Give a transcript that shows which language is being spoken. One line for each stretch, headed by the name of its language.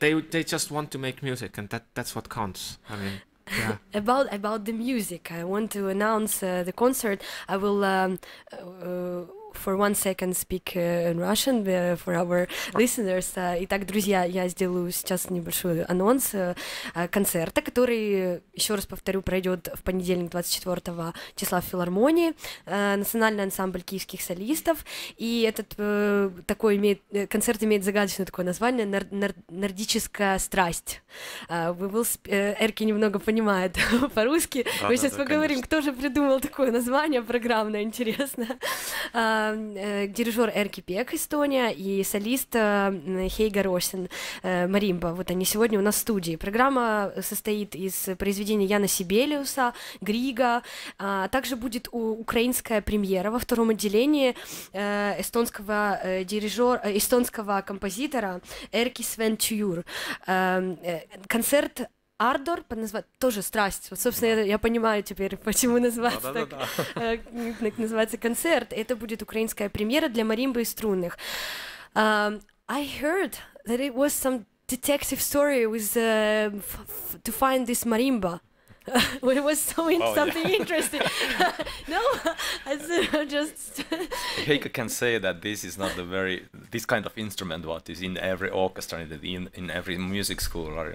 English: They just want to make music, and that's what counts. I mean, yeah. about the music, I want to announce the concert. I will for 1 second speak in Russian for our listeners.
Russian: Итак, друзья, я сделаю сейчас небольшой анонс концерта, который, еще раз повторю, пройдет в понедельник 24 числа в филармонии, Национальный ансамбль киевских солистов. И этот концерт имеет загадочное такое название «Нордическая страсть». Эрки немного понимает по-русски. Мы сейчас поговорим, конечно. Кто же придумал такое название программное, интересно. Дирижер Эрки Пек, Эстония, и солист Хейга Росин, Маримба. Вот они сегодня у нас в студии. Программа состоит из произведений Яна Сибелиуса, Грига, а также будет украинская премьера во втором отделении эстонского композитора Эрки Свен Чюр. Концерт Ардор, тоже страсть. Вот, собственно, я понимаю теперь, почему называется так. Называется концерт. Это будет украинская премьера для маримбы и струнных.
English: I heard that it was some detective story with to find this marimba. It was something interesting. No, I just. Heike can say that this is not the very this kind of instrument what is in every orchestra in every music school.